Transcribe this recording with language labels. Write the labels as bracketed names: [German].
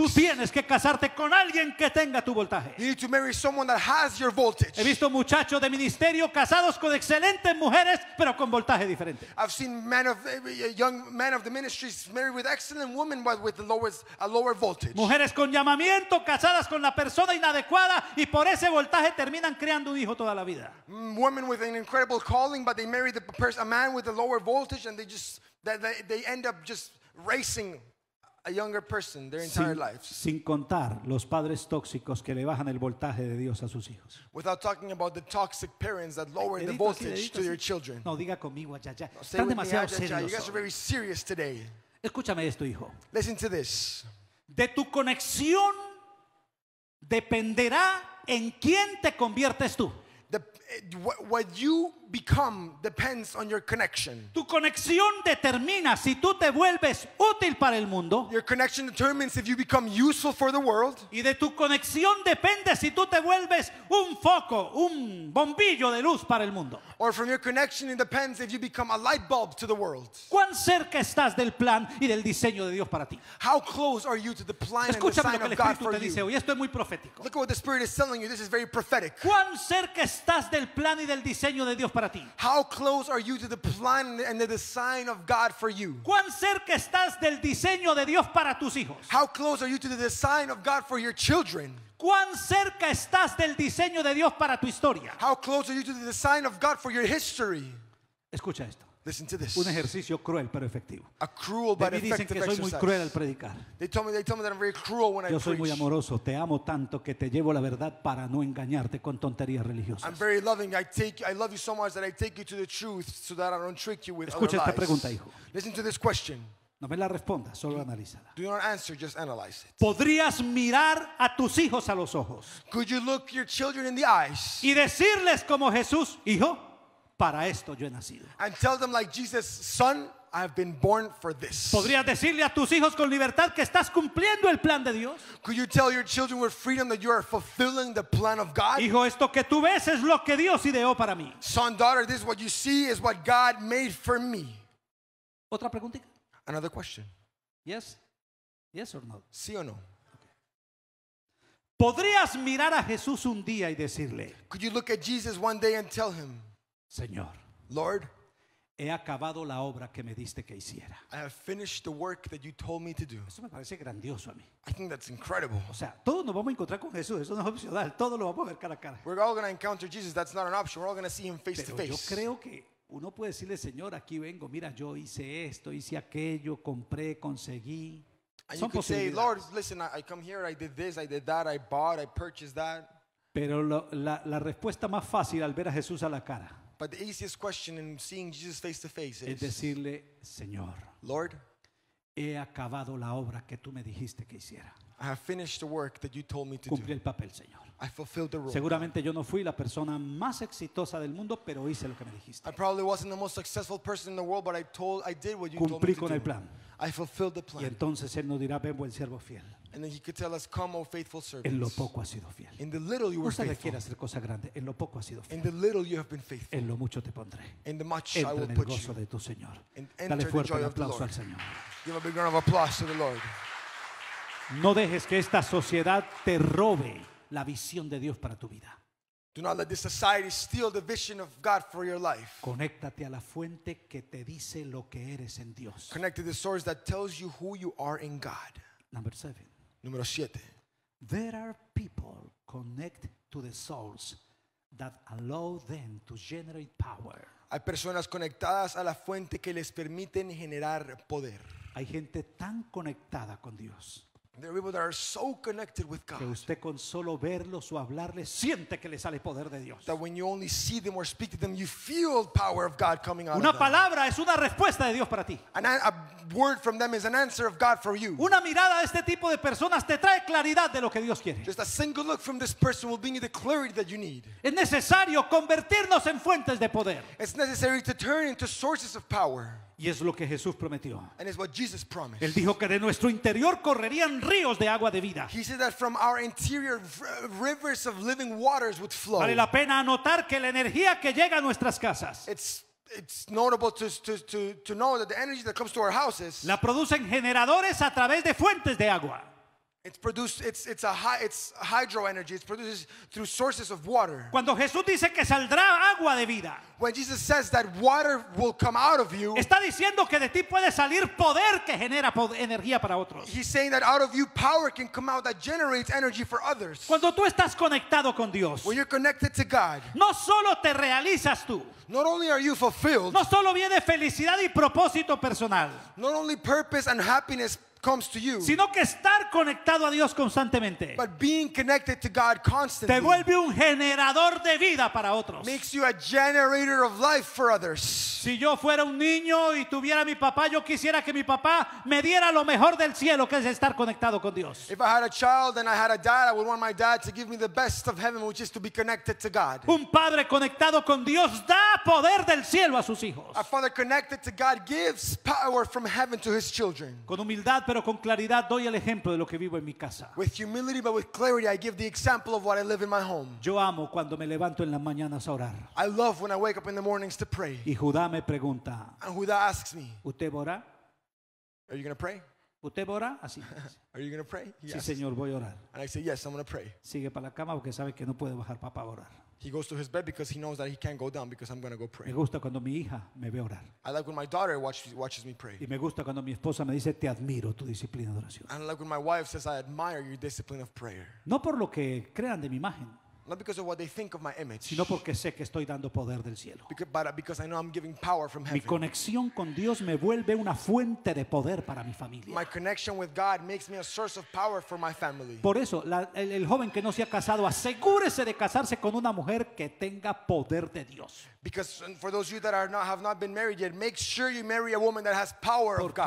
[Spanish] Tú tienes que casarte con alguien que tenga tu voltaje. [English] You need to marry someone that has your voltage. [Spanish] He visto muchachos de ministerio casados con excelentes mujeres pero con voltaje diferente. [English] I've seen men of young men of the ministries married with excellent women but with a lower voltage. [Spanish] Mujeres con llamamiento casadas con la persona inadecuada y por ese voltaje terminan creando un hijo toda la vida. [English] Women with an incredible calling but they marry a man with a lower voltage and they end up just racing a younger person their entire lives. [Spanish] Sin contar los padres tóxicos que le bajan el voltaje de Dios a sus hijos. [English] Without talking about the toxic parents that lower the voltage to their children. [Spanish] No diga conmigo ya ya. Están demasiado serios. [English] You guys are very serious today. [Spanish] Escúchame esto, hijo. [English] Listen to this. [Spanish] De tu conexión dependerá en quién te conviertes tú. [English] What you become depends on your connection. [Spanish] Tu conexión determina si tú te vuelves útil para el mundo. [English] Your connection determines if you become useful for the world. [Spanish] Y de tu conexión depende si tú te vuelves un foco, un bombillo de luz para el mundo. [English] Or from your connection it depends if you become a light bulb to the world. [Spanish] ¿Cuán cerca estás del plan y del diseño de Dios para ti? [English] How close are you to the plan and the sign of God for you? [Spanish] Escúchame lo que dice hoy, esto es muy profético. [English] Look at what the Spirit is telling you, this is very prophetic. [Spanish] ¿Cuán cerca estás del plan y del diseño de Dios para ti? [English] How close are you to the plan and the design of God for you? [Spanish] ¿Cuán cerca estás del diseño de Dios para tus hijos? [English] How close are you to the design of God for your children? [Spanish] ¿Cuán cerca estás del diseño de Dios para tu historia? [English] How close are you to the design of God for your history? [Spanish] Escucha esto. [English] Listen to this. [Spanish] Un ejercicio cruel pero efectivo. [English] A cruel but effective exercise. [Spanish] Me dicen que soy muy cruel al predicar. [English] They told me that I'm very cruel when I preach. [Spanish] Yo soy muy amoroso, te amo tanto que te llevo la verdad para no engañarte con tonterías religiosas. [English] I'm very loving. I love you so much that I take you to the truth so that I don't trick you with [Spanish] Escucha [English] other lies. [Spanish] Esta pregunta, hijo. [English] Listen to this question. [Spanish] No me la respondas, solo analízala. [English] Do not answer, just analyze it. [Spanish] ¿Podrías mirar a tus hijos a los ojos? [English] Could you look your children in the eyes? [Spanish] Y decirles como Jesús, hijo, para esto yo he nacido. [English] And tell them like Jesus, son, I have been born for this. [Spanish] ¿Podrías decirle a tus hijos con libertad que estás cumpliendo el plan de Dios? [English] Could you tell your children with freedom that you are fulfilling the plan of God? [Spanish] Hijo, esto que tú ves es lo que Dios ideó para mí. [English] Son, daughter, this is what you see is what God made for me. [Spanish] ¿Otra preguntita? [English] Another question. Yes. Yes or no? [Spanish] Sí o no. ¿Podrías mirar a Jesús un día y decirle? [English] Could you look at Jesus one day and tell him? [Spanish] Señor. [English] Lord. [Spanish] He acabado la obra que me diste que hiciera. [English] I have finished the work that you told me to do. [Spanish] Eso me parece grandioso a mí. [English] I think that's incredible. [Spanish] O sea, todos nos vamos a encontrar con Jesús. Eso no es opcional. Todos lo vamos a ver cara a cara. [English] We're all going to encounter Jesus. That's not an option. We're all going to see him face [Spanish] Pero [English] to face. [Spanish] Yo creo que uno puede decirle, Señor, aquí vengo, mira, yo hice esto, hice aquello, compré, conseguí. [English] And you could say, Lord, listen, I come here, I did this, I did that, I bought, I purchased that. [Spanish] Pero la respuesta más fácil al ver a Jesús a la cara. [English] But the easiest question in seeing Jesus face to face is, [Spanish] es decirle, Señor, [English] Lord, [Spanish] he acabado la obra que tú me dijiste que hiciera. [English] I have finished the work that you told me to [Spanish] Cumplí El papel, Señor. [English] I fulfilled the role. [Spanish] Seguramente yo no fui la persona más exitosa del mundo, pero hice lo que me dijiste. [English] I probably wasn't the most successful person in the world, but I did what you [Spanish] Cumplí [English] told me to [Spanish] con [English] do. [Spanish] El plan. [English] I fulfilled the plan. [Spanish] Y entonces él nos dirá, ven buen siervo fiel. [English] And then he could tell us, come, O faithful servant. [Spanish] En lo poco has sido fiel. [English] In the little you were faithful. [Spanish] No se requiere hacer cosa grande. En lo poco has sido fiel. [English] In the little you have been faithful. [Spanish] En lo mucho te pondré. [English] In the much [Spanish] Entra [English] I will [Spanish] en [English] put you. [Spanish] En el gozo de tu Señor. [English] And enter [Spanish] Dale fuerte [English] the joy [Spanish] un aplauso [English] of the Lord. [Spanish] Al Señor. [English] Give a big round of applause to the Lord. [Spanish] No dejes que esta sociedad te robe la visión de Dios para tu vida. [English] Do not let this society steal the vision of God for your life. [Spanish] Conéctate a la fuente que te dice lo que eres en Dios. [English] Connect to the source that tells you who you are in God. Number seven. [Spanish] Número siete. [English] There are people connect to the source that allow them to generate power. [Spanish] Hay personas conectadas a la fuente que les permiten generar poder. Hay gente tan conectada con Dios. [English] There are people that are so connected with God. [Spanish] Que usted con solo verlos o hablarles siente que le sale poder de Dios. [English] That when you only see them or speak to them, you feel power of God coming out [Spanish] Una [English] of them. [Spanish] Una palabra es una respuesta de Dios para ti. [English] And a word from them is an answer of God for you. [Spanish] Una mirada de este tipo de personas te trae claridad de lo que Dios quiere. [English] Just a single look from this person will bring you the clarity that you need. [Spanish] Es necesario convertirnos en fuentes de poder. [English] It's necessary to turn into sources of power. [Spanish] Y es lo que Jesús prometió. [English] And it's what Jesus promised. [Spanish] Él dijo que de nuestro interior correrían ríos de agua de vida. [English] He said that from our interior rivers of living waters would flow. [Spanish] Vale la pena anotar que la energía que llega a nuestras casas. [English] It's notable to know that the energy that comes to our houses. [Spanish] La producen generadores a través de fuentes de agua. [English] It's produced. It's hydro energy. It's produced through sources of water. [Spanish] Cuando Jesús dice que saldrá agua de vida, [English] when Jesus says that water will come out of you, [Spanish] está diciendo que de ti puede salir poder que genera energía para otros. [English] He's saying that out of you power can come out that generates energy for others. [Spanish] Cuando tú estás conectado con Dios, [English] when you're connected to God, [Spanish] no solo te realizas tú. [English] Not only are you fulfilled. [Spanish] No solo viene felicidad y propósito personal. [English] Not only purpose and happiness. Comes to you, [Spanish] sino que estar conectado a Dios constantemente, [English] but being connected to God constantly, [Spanish] te vuelve un generador de vida para otros, [English] makes you a generator of life for others. [Spanish] Si yo fuera un niño y tuviera a mi papá, yo quisiera que mi papá me diera lo mejor del cielo, que es estar conectado con Dios. [English] If I had a child and I had a dad, I would want my dad to give me the best of heaven, which is to be connected to God. [Spanish] Un padre conectado con Dios da poder del cielo a sus hijos. [English] A father connected to God gives power from heaven to his children. [Spanish] Con humildad pero con claridad doy el ejemplo de lo que vivo en mi casa. [English] With humility but with clarity I give the example of what I live in my home. [Spanish] Yo amo cuando me levanto en las mañanas a orar. [English] I love when I wake up in the mornings to pray. [Spanish] Y Judá me pregunta. [English] And Judah asks me. [Spanish] ¿Usted ora? [English] Are you going to pray? [Spanish] ¿Usted ora? Así. [English] Are you going to pray? Yes. [Spanish] Sí, señor, voy a orar. [English] And I say yes, I'm going to pray. [Spanish] Sigue para la cama porque sabe que no puede bajar papá a orar. [English] He goes to his bed because he knows that he can't go down because I'm going to go pray. [Spanish] Me gusta cuando mi hija me ve orar. [English] I like when my daughter watches me pray. [Spanish] Y me gusta cuando mi esposa me dice te admiro tu disciplina de oración. [English] And I like when my wife says I admire your discipline of prayer. [Spanish] No por lo que crean de mi imagen. [English] Not because of what they think of my image. [Spanish] Sino porque sé que estoy dando poder del cielo. [English] Because I know I'm giving power from heaven. [Spanish] Mi conexión con Dios me vuelve una fuente de poder para mi familia. [English] My connection with God makes me a source of power for my family. [Spanish] Por eso, el joven que no se ha casado, asegúrese de casarse con una mujer que tenga poder de Dios. [English] Because for those of you that have not been married yet, make sure you marry a woman that has power of God.